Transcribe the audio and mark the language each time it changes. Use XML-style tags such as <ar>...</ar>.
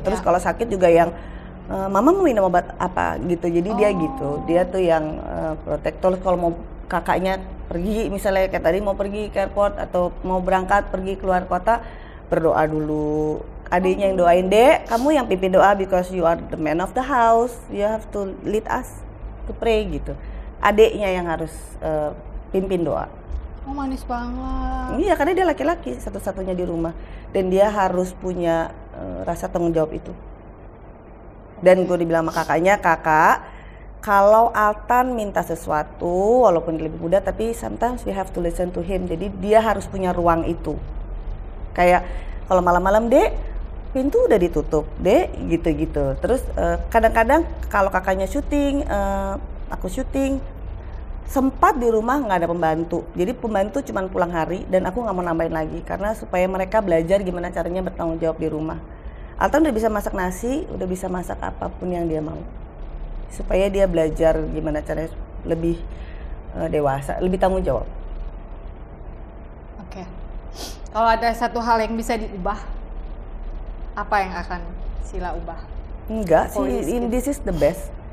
<id>Terus ya. Kalau sakit juga yang... mama mau minum obat apa gitu, jadi oh. Dia gitu, dia tuh yang protektor. Kalau mau kakaknya pergi misalnya kayak tadi mau pergi ke airport atau mau berangkat pergi keluar kota, berdoa dulu adiknya yang doain, "Dek, kamu yang pimpin doa</id> <en>because you are the man of the house. You have to lead us to pray," gitu.</en> <id>Adiknya yang harus pimpin doa. Oh, manis banget. Iya, karena dia laki-laki satu-satunya di rumah. Dan dia harus punya rasa tanggung jawab itu. Dan gue dibilang sama kakaknya, "Kakak, kalau Altan minta sesuatu, walaupun lebih muda, tapi</id> <en>sometimes we have to listen to him."</en> <id>Jadi dia harus punya ruang itu. Kayak kalau malam-malam, "Dek, pintu udah ditutup, Dek," gitu-gitu. Terus kadang-kadang kalau kakaknya syuting, aku syuting, sempat di rumah nggak ada pembantu. Jadi pembantu cuma pulang hari dan aku nggak mau nambahin lagi. Karena supaya mereka belajar gimana caranya bertanggung jawab di rumah. Altan udah bisa masak nasi, udah bisa masak apapun yang dia mau. Supaya dia belajar gimana caranya lebih dewasa, lebih tanggung jawab. Oke. Kalau ada satu hal yang bisa diubah, apa yang akan Sila ubah? Enggak sih,</id> <en>this is the best.</en>